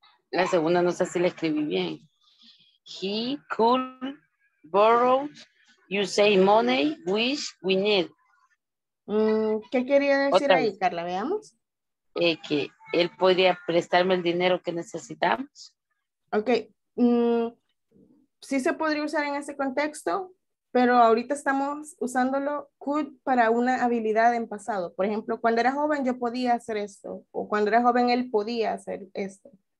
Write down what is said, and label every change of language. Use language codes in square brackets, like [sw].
[es] La segunda no sé si la escribí bien. [en] He could borrow, you say money, which we need. [es] ¿Qué quería decir ahí, Carla? Veamos. Que él podría prestarme el dinero que necesitamos. Ok. Sí se podría usar en ese contexto. Pero ahorita estamos usándolo could para una habilidad en pasado. Por ejemplo, cuando era joven yo podía hacer esto. O cuando era joven él podía hacer esto.